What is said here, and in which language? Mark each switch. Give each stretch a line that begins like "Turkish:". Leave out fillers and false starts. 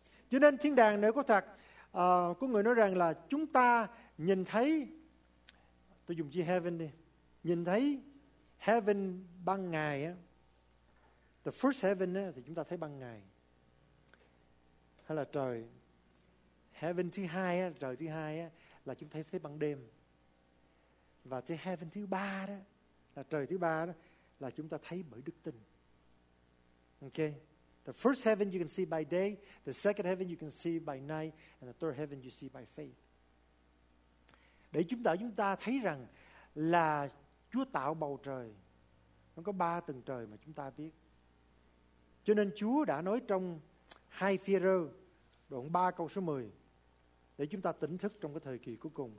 Vietnamese: Cho nên thiên đàng nếu có thật, có người nói rằng là chúng ta nhìn thấy, tôi dùng chữ heaven đi, nhìn thấy heaven ban ngày,
English: the first heaven
Vietnamese: thì chúng ta thấy ban ngày, hay là trời, heaven thứ hai, trời thứ hai là chúng ta thấy ban đêm, và cái heaven thứ ba đó, là trời thứ ba đó, là chúng ta thấy bởi đức tin.
English: Ok, the first heaven you can see by day, the second heaven you can see by night, and the third heaven you see by faith.
Vietnamese: Để chúng ta thấy rằng là Chúa tạo bầu trời, nó có ba tầng trời mà chúng ta biết. Cho nên Chúa đã nói trong 2 Phi-e-rơ đoạn 3 câu số 10, để chúng ta tỉnh thức trong cái thời kỳ cuối cùng.